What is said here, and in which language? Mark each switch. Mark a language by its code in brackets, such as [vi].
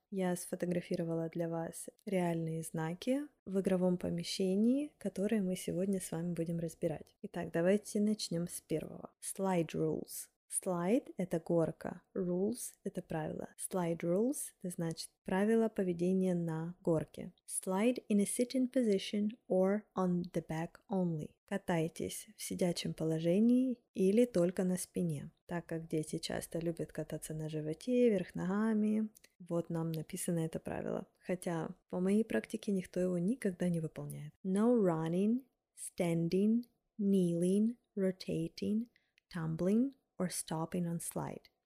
[ru] Я сфотографировала для вас реальные знаки в игровом помещении, которые мы сегодня с вами будем разбирать. Итак, давайте начнем с первого. [en] Slide rules. [ru] Slide – это горка, rules – это правило. [en] Slide rules [ru] – это значит правила поведения на горке. [en] Slide in a sitting position or on the back only. [ru] Катайтесь в сидячем положении или только на спине. Так как дети часто любят кататься на животе, вверх ногами, вот нам написано это правило. Хотя по моей практике никто его никогда не выполняет. [en] No running, standing, kneeling, rotating, tumbling – or stopping on slide.